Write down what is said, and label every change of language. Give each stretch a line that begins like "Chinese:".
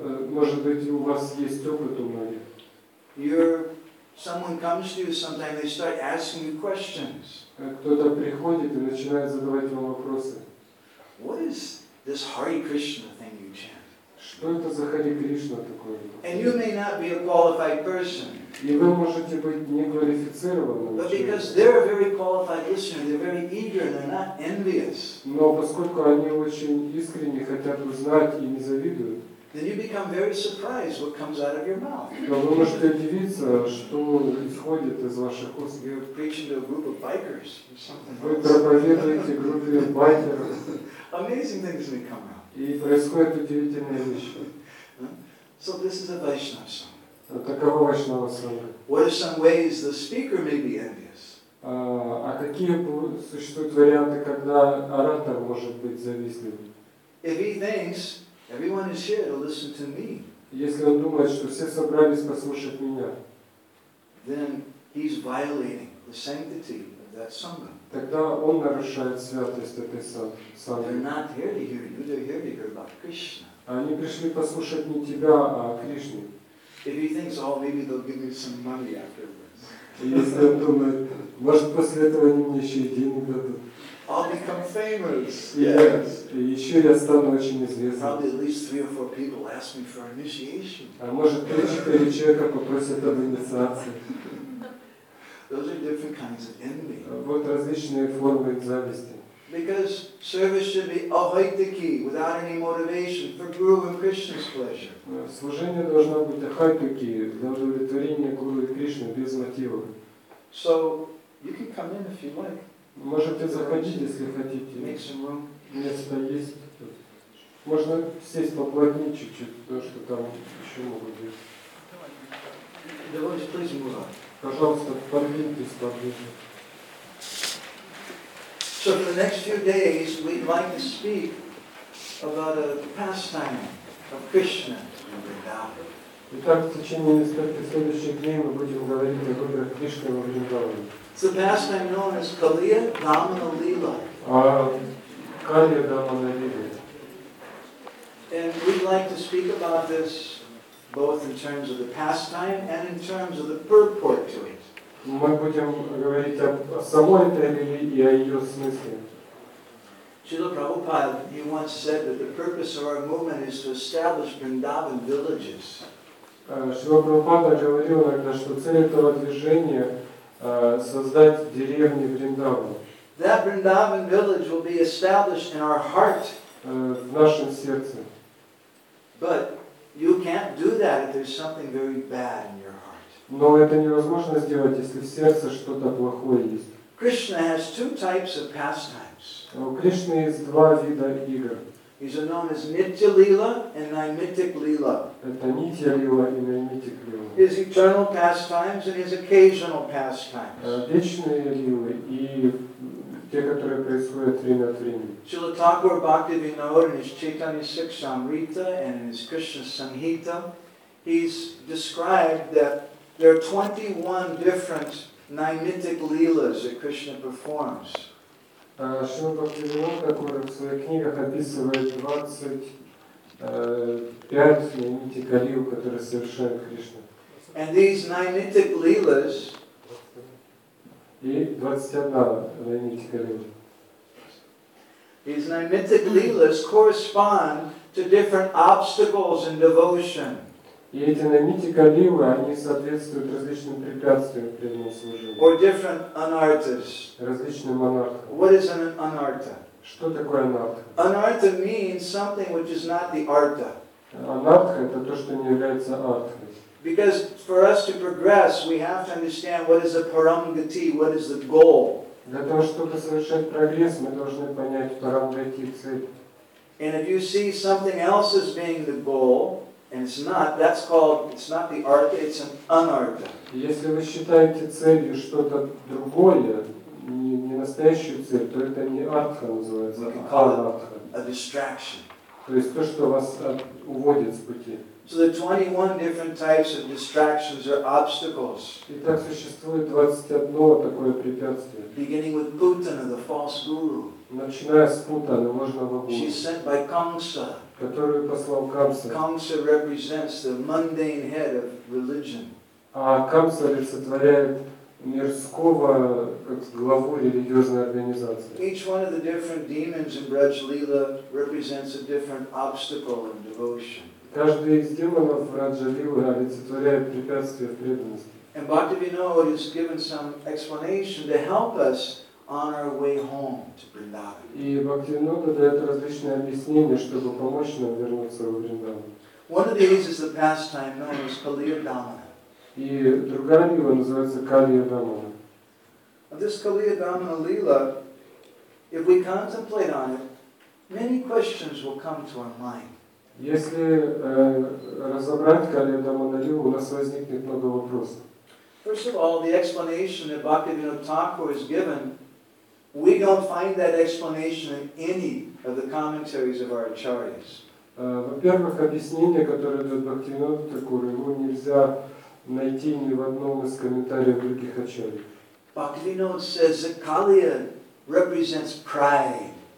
Russian: Может быть, у вас есть опыт у многих.
English: Someone comes to you sometime, they start asking you questions.
Russian: Кто-то приходит и начинает задавать вам вопросы.
English: What is this Hare Krishna thing you chant?
Russian: Что это за Hare Krishna такое?
English: And you may not be a qualified person.
Russian: И вы можете быть неквалифицированным
English: But because they're a very qualified listener, they're very eager, they're not envious.
Russian: Но поскольку они очень искренне хотят узнать и не завидуют,
English: then you become very surprised what comes out of your mouth.
Russian: Но вы можете удивиться, что исходит из ваших уст.
English: You're preaching to a group of bikers or something.
Russian: Вы проповедуете группе байкеров.
English: Amazing things may come out.
Russian: И происходят удивительные вещи.
English: So this is a Vaishnava song.
Russian: Таково Вайшнава Санга.
English: What are some ways the speaker may be envious?
Russian: А какие существуют варианты, когда оратор может быть завистливым?
English: If he thinks everyone is here to listen to me,
Russian: если он думает, что все собрались послушать меня,
English: then he's violating the sanctity of that sangha.
Russian: Тогда он нарушает святость этой санги.
English: They're not here to hear you. They're here to hear about Krishna.
Russian: Они пришли послушать не тебя, а Кришну.
English: If he thinks, oh, maybe they'll give me some money afterwards.
Russian: Если он думает, может после этого они мне еще и деньги дадут.
English: I'll become famous. Yes.
Russian: И еще я стану очень известным.
English: Probably at least three or four people ask me for initiation.
Russian: А может 3-4 человека попросят об инициации.
English: Those are different kinds of envy.
Russian: Вот различные формы зависти.
English: Because service should be ahaitiki, without any motivation, for Guru and Krishna's pleasure.
Russian: Служение должно быть ахайтики, для удовлетворения Гуру и Кришны без мотивов.
English: So you can come in if you like.
Russian: Можете заходить, если хотите. Место есть тут. Можно сесть поплотнее чуть-чуть, то, что там еще могут быть. Пожалуйста, подвиньтесь поближе.
English: So for the next few days we'd like to speak about a pastime of Krishna and Vrindavan.
Russian: Итак, в течение нескольких следующих дней мы будем говорить о играх Кришны в Вриндаване.
English: It's a pastime known as Kaliya Damana Lila.
Russian: Kaliya Damana Lila.
English: And we'd like to speak about this both in terms of the pastime and in terms of the purport to it.
Russian: Мы будем говорить о самой этой религии и о ее смысле.
English: Srila Prabhupada, he once said that the purpose of our movement is to establish Vrindavan villages.
Russian: Шрила Прабхупада говорил иногда, что цель этого движения – создать деревню Вриндаван.
English: That Vrindavan village will be established in our heart.
Russian: В нашем сердце.
English: But you can't do that if there's something very bad in your heart.
Russian: Но это невозможно сделать, если в сердце что-то плохое есть.
English: Krishna has two types of pastimes.
Russian: У Кришны есть два вида игр.
English: These are known as Nitya Lila and Naimittik Lila.
Russian: Это Нитья Лила и Наимиттик Лила.
English: His eternal pastimes and his occasional pastimes.
Russian: Вечные лилы и те, которые происходят время от времени.
English: Srila Thakur Bhaktivinoda in his Chaitanya Sikshamrita and in his Krishna Samhita, he's described that there are 21 different Naimittik Lilas that Krishna performs.
Russian: Шрила Бхактивинода, который в своих книгах описывает 25 Наимиттик Лил, которые совершает Кришна.
English: And these Naimittik Lilas,
Russian: и 21 Наимиттик Лил.
English: These Naimittik Lilas correspond to different obstacles in devotion.
Russian: И эти Наимиттик Лилы, они соответствуют различным препятствиям в преданном служении.
English: Or different anarthas.
Russian: Различным анартхам.
English: What is an anartha?
Russian: Что такое анартха?
English: Anartha means something which is not the artha.
Russian: Анартха — это то, что не является артхой.
English: Because for us to progress, we have to understand what is the paramgati, what is the goal.
Russian: Для того, чтобы совершать прогресс, мы должны понять парамгати, цель.
English: And if you see something else as being the goal, and it's not, that's called, it's not the artha, it's an anartha.
Russian: Если вы считаете целью что-то другое, не настоящую цель, то это не артха называется, а анартха.
English: A distraction.
Russian: То есть то, что вас уводит с пути.
English: So the 21 different types of distractions or obstacles.
Russian: Итак, существует 21 такое препятствие.
English: Beginning with Putana, the false guru.
Russian: Начиная с Путаны, ложного гуру.
English: She's sent by Kamsa.
Russian: Которую послал Камса.
English: Kamsa represents the mundane head of religion.
Russian: А Камса олицетворяет мирского главу религиозной организации.
English: Each one of the different demons in Braj Lila represents a different obstacle in devotion.
Russian: Каждый из демонов Раджа-лилы олицетворяет препятствие в преданности.
English: And Bhaktivinoda has given some explanation to help us on our way home to Vrindavan.
Russian: И Бхактивинода дает различные объяснения, чтобы помочь нам вернуться в Вриндаван.
English: One of these is the pastime known as Kaliyadamana.
Russian: И другая лила называется Калия-дамана.
English: Now this Kaliyadamana lila, if we contemplate on it, many questions will come to our mind.
Russian: Если разобрать Калия-дамана лилу, у нас возникнет много вопросов.
English: First of all, the explanation that Bhaktivinoda Thakur has given, we don't find that explanation in any of the commentaries of our acharyas.
Russian: Во-первых, объяснение, которое дает Бхактивинода Такура, его нельзя найти ни в одном из комментариев других ачарий.
English: Bhaktivinoda says that Kaliya represents pride.